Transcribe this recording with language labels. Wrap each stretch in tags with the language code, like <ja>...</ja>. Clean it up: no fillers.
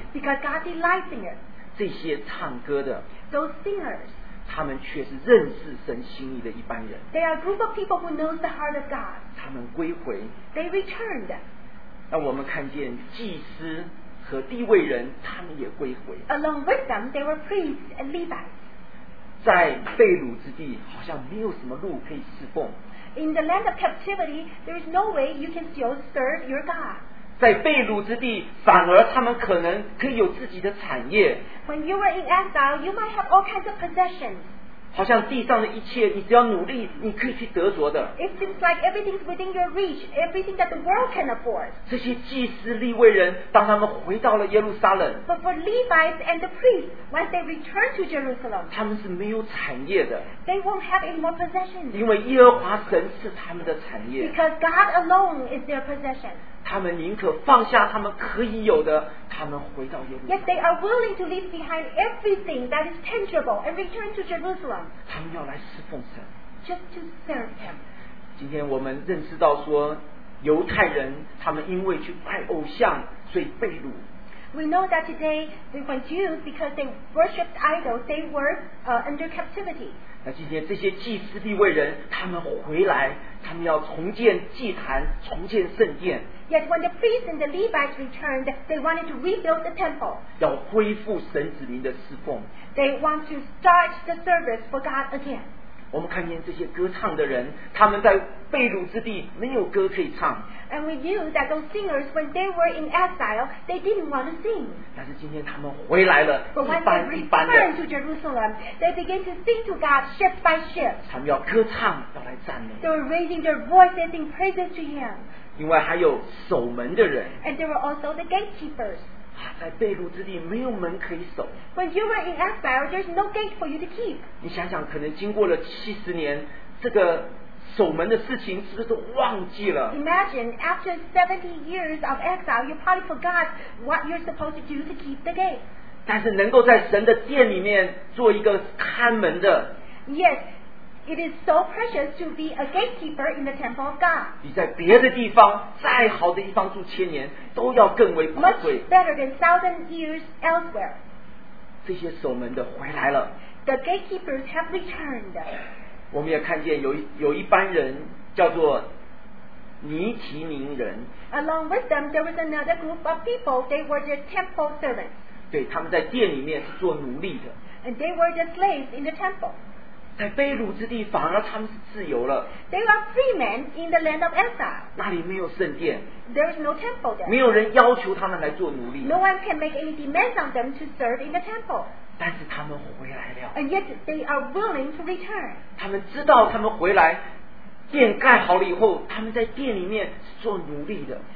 <en>Because God delights in it.</en> <zh>这些唱歌的。</zh> <en>Those singers.</en> <zh>他们却是认识神心意的一般人。</zh> <en>They are a group of people who knows the heart of God.</en> <zh>他们归回。</zh> <en>They returned.</en> <zh>那我们看见祭司和利未人，他们也归回。</zh> <en>Along with them, there were priests and Levites.</en> <zh>在被掳之地，好像没有什么路可以侍奉。</zh> <en>In the land of captivity, there is no way you can still serve your God.</en> <zh>在被掳之地，反而他们可能可以有自己的产业。</zh> <en>When you were in exile, you might have all kinds of possessions.</en> <zh>好像地上的一切，你只要努力，你可以去得着的。</zh> <en>It seems like everything's within your reach, everything that the world can afford.</en> <zh>这些祭司、利未人，当他们回到了耶路撒冷。</zh> <en>But for Levites and the priests, once they return to Jerusalem,</en> <zh>他们是没有产业的。</zh> <en>They won't have any more possessions.</en> <zh>因为耶和华神是他们的产业。</zh> <en>Because God alone is their possession.</en> <zh>他们宁可放下他们可以有的，他们回到耶路撒冷。</zh> <en>Yes, they are willing to leave behind everything that is tangible and return to Jerusalem.</en> <zh>他们要来侍奉神。</zh> <en>Just to serve Him.</en> <zh>今天我们认识到说，犹太人他们因为去拜偶像，所以被掳。</zh> <en>We know that today when Jews because they worshipped idols, they were under captivity.</en> <zh>那今天这些祭司利未人，他们回来，他们要重建祭坛，重建圣殿。</zh> <en>Yet when the priests and the Levites returned, they wanted to rebuild the temple.</en> <zh>要恢复神子民的侍奉。</zh> <en>They want to start the service for God again.</en> <zh>我们看见这些歌唱的人，他们在被掳之地没有歌可以唱。</zh> <en>And we knew that those singers, when they were in exile, they didn't want to sing.</en> <zh>但是今天他们回来了，一般一般的。</zh> <en>But when they returned to Jerusalem, they began to sing to God shift by shift.</en> <zh>他们要歌唱，要来赞美。</zh> <en>They were raising their voices in praises to Him.</en> <zh>另外还有守门的人。</zh> <en>And there were also the gatekeepers.</en> <zh>在被掳之地没有门可以守。</zh> <en>When you were in exile, there's no gate for you to keep.</en> <zh>你想想，可能经过了70年，这个守门的事情是不是都忘记了</zh> <en>？Imagine after 70 years of exile, you probably forgot what you're supposed to do to keep the gate.</en> <zh>但是能够在神的殿里面做一个看门的。</zh> <en>Yes. It is so precious to be a gatekeeper in the temple of God.</en> <zh>比在别的地方再好的地方住千年都要更为宝贵。</zh> <en>Much better than 1,000 years elsewhere.</en> <zh>这些守门的回来了。</zh> <en>The gatekeepers have returned.</en> <zh>我们也看见有一班人叫做尼提宁人。</zh> <en>Along with them, there was another group of people. They were the temple servants.</en> <zh>对，他们在殿里面是做奴隶的。</zh> <en>And they were the slaves in the temple.</en> <zh>在被掳之地反而他们是自由了。</zh> <en>They are free men in the land of exile.</en> <zh>那里没有圣殿。</zh> <en>There is no temple there.</en> <zh>没有人要求他们来做奴隶。</zh> <en>No one can make any demands on them to serve in the temple.</en> <zh>但是他们回来了。</zh> <en>And yet they are willing to return.</en> <zh>他们知道他们回来殿盖好了以后，他们在殿里面是做奴隶的。</zh>